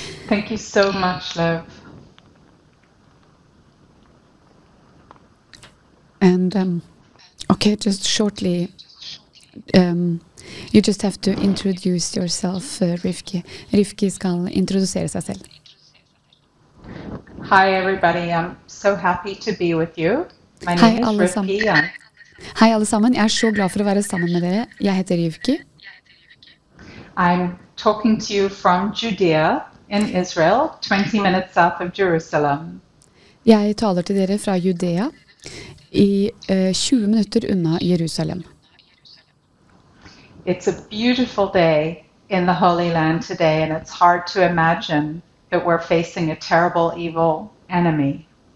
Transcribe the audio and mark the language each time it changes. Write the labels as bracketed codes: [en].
[en] Thank you so much, love. And okay, just shortly, you just have to introduce yourself, Rifki. [no] Rifki skal introdusere seg selv. [en] Hi everybody, I'm so happy to be with you. My [no] Hei, [en] name is Rifki. [no] Hei alle sammen, jeg så glad for å være sammen med dere. Jeg heter Rifki. [en] I'm talking to you from Judea in Israel, 20 minutes south of Jerusalem. [no] Jeg taler til dere fra Judea i 20 minutter unna Jerusalem. [en] It's a beautiful day in the Holy Land today, and it's hard to imagine that we're facing a terrible evil enemy.